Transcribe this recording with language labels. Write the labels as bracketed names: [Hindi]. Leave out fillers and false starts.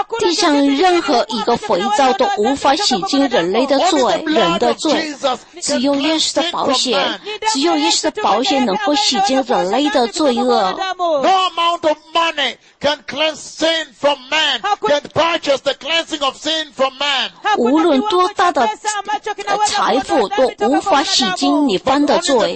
[Chinese] 地上任何一个肥皂都无法洗净人类的罪，人的罪。只有耶稣的宝血，只有耶稣的宝血能够洗净人类的罪恶。 [English] No amount of money can cleanse sin from man. Can purchase the cleansing of sin from man. [Chinese] 无论多大的财富都无法洗净你犯的罪。